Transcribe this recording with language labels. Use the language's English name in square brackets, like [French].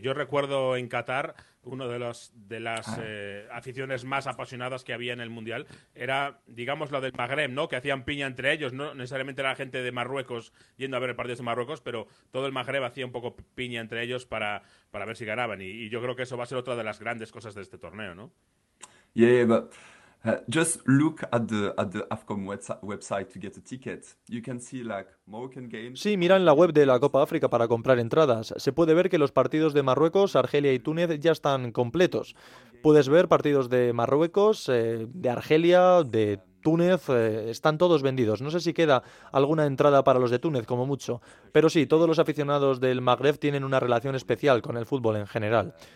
[Spanish] Yo recuerdo en Qatar, uno de las aficiones más apasionadas que había en el Mundial era, digamos, la del Magreb, ¿no? Que hacían piña entre ellos, no necesariamente era la gente de Marruecos yendo a ver el partido de Marruecos, pero todo el Magreb hacía un poco piña entre ellos para ver si ganaban, y yo creo que eso va a ser otra de las grandes cosas de este torneo, ¿no? [English] Yeah, but just look at the AFCON website to get a ticket. You can see like Moroccan games. [Spanish] Sí, mira en la web de la Copa África para comprar entradas. Se puede ver que los partidos de Marruecos, Argelia y Túnez ya están completos. Puedes ver partidos de Marruecos, de Argelia, de Túnez, están todos vendidos. No sé si queda alguna entrada para los de Túnez, como mucho. Pero sí, todos los aficionados del Magreb tienen una relación especial con el fútbol en general.